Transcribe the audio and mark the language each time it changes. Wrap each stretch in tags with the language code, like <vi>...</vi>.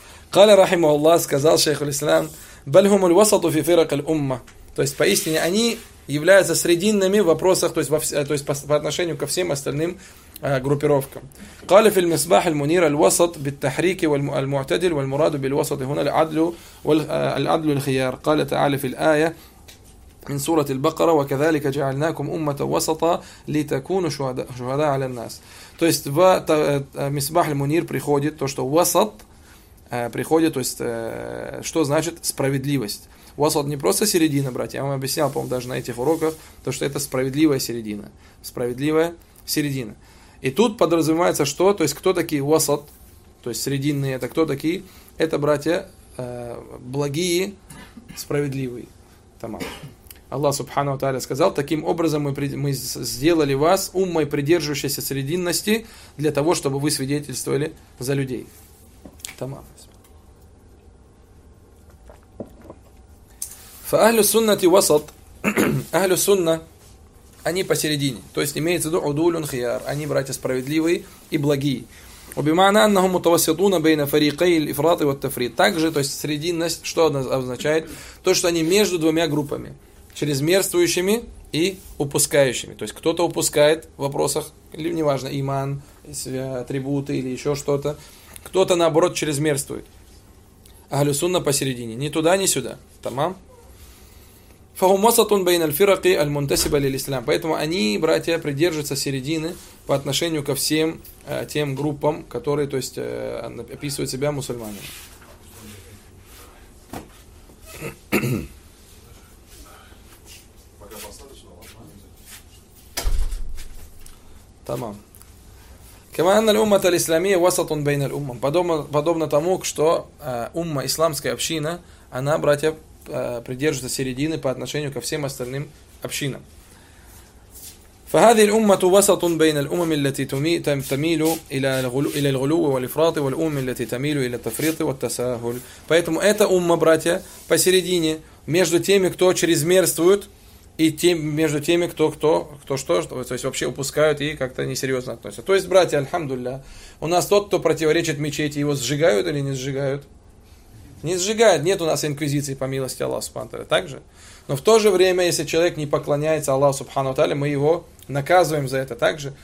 <ar>Каля рахима Аллах,</ar> <ru>сказал шейх Ислам,</ru> <ar>бальхум уль васату фи фирак аль умма.</ar> <ru>То есть поистине они являются срединными в вопросах, то есть по отношению ко всем остальным группировкам.</ru> <ar>قال في المصباح المنير الوسط بالتحريك والمعتدل والمراد بالوسط هنا العدل الخيار. قال تعالى في الآية من سورة البقرة وكذلك جعلناكم أمة وسطا لتكونوا شهداء على الناس.</ar> <ru>То есть в مصباح المنير приходит то, что وسط приходит, то есть что значит справедливость. Васат не просто середина, братья, я вам объяснял, по-моему, даже на этих уроках, то, что это справедливая середина. Справедливая середина. И тут подразумевается что? То есть, кто такие васат? То есть, срединные, это кто такие? Это, братья, благие, справедливые. Тамам. Аллах, субхану ва тааля, сказал, таким образом мы сделали вас уммой, придерживающейся срединности, для того, чтобы вы свидетельствовали за людей. Тамам.</ru> <ar>فأهل السنة وسط أهل السنة</ar> <ru>они посередине, то есть имеется в виду</ru> <ar>удулун хияр,</ar> <ru>они братья справедливые и благие.</ru> <ar>وبمعنى أنهم متوسطون بين فريقي الإفراط والتفريط.</ar> <ru>Также, то есть срединность, что означает? То, что они между двумя группами, чрезмерствующими и упускающими. То есть кто-то упускает в вопросах, или неважно, иман, атрибуты или еще что-то, кто-то наоборот чрезмерствует. Ахлю Сунна посередине, ни туда, ни сюда. Тамам.</ru> <ar>فهم وسط بين الفرق المنتسبة للإسلام.</ar> <ru>Поэтому они, братья, придерживаются середины по отношению ко всем тем группам, которые, то есть, описывают себя мусульманами.</ru> <ar>Тамам. Кеманна ль-умма ль-исламия васатун байна ль-уммам.</ar> <ru>Подобно тому, что умма, исламская община, она, братья, придерживается середины по отношению ко всем остальным общинам.</ru> <ar>فهذه الأمة وسط بين الأمم التي تميل إلى الغلو والإفراط والأمم التي تميل إلى التفريط والتساهل.</ar> <ru>Поэтому эта умма, братья, посередине между теми, кто чрезмерствует, и тем, между теми, кто что, то есть вообще упускают и как-то несерьезно относятся. То есть, братья, альхамдулля, у нас тот, кто противоречит мечети, его сжигают или не сжигают? Не сжигают, нет у нас инквизиции по милости Аллаха Субхану Тааля. Так же? Но в то же время, если человек не поклоняется Аллаху Субхану Тааля, мы его наказываем за это также.</ru>